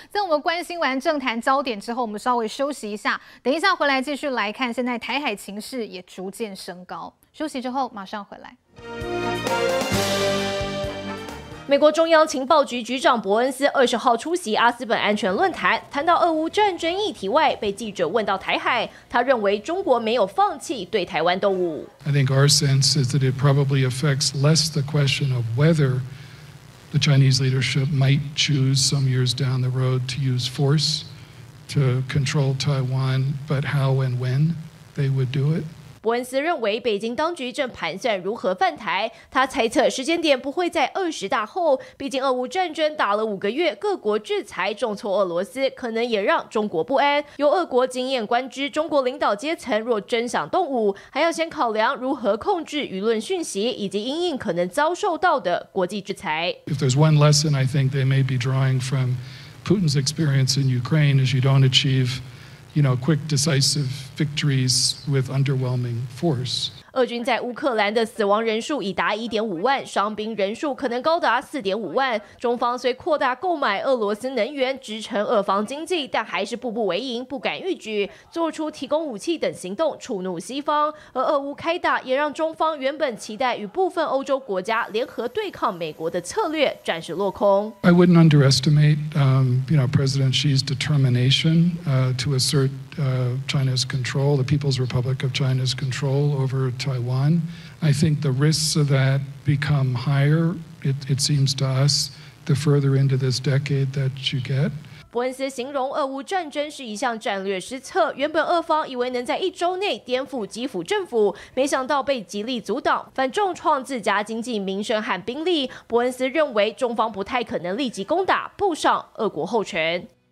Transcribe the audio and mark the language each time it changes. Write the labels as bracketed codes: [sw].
[zh] 在我们关心完政坛焦点之后，我们稍微休息一下，等一下回来继续来看，现在台海情势也逐渐升高。休息之后马上回来。美国中央情报局局长伯恩斯20号出席阿斯本安全论坛，谈到俄乌战争议题外，被记者问到台海，他认为中国没有放弃对台湾动武。 [en] I think our sense is that it probably affects less the question of whether the Chinese leadership might choose some years down the road to use force to control Taiwan, but how and when they would do it. [zh] 伯恩斯认为北京当局正盘算如何犯台，他猜测时间点不会在20大后，毕竟俄乌战争打了5个月，各国制裁重挫俄罗斯，可能也让中国不安。由俄国经验观之，中国领导阶层若真想动武，还要先考量如何控制舆论讯息以及因应可能遭受到的国际制裁。 [en] If there's one lesson I think they may be drawing from Putin's experience in Ukraine is you don't achieveQuick decisive victories with underwhelming force. [zh] 俄军在乌克兰的死亡人数已达1.5万，伤兵人数可能高达4.5万。中方虽扩大购买俄罗斯能源支撑俄方经济，但还是步步为营，不敢逾矩，做出提供武器等行动触怒西方。而俄乌开打也让中方原本期待与部分欧洲国家联合对抗美国的策略暂时落空。 [en] I wouldn't underestimate, President Xi's determination, to assert, China's control, the People's Republic of China's control over Taiwan. I think the risks of that become higher, it seems to us, the further into this decade that you get. [zh] 伯恩斯形容俄乌战争是一项战略失策，原本俄方以为能在一周内颠覆基辅政府，没想到被极力阻挡，反重创自家经济、民生和兵力。伯恩斯认为中方不太可能立即攻打，步上俄国后尘。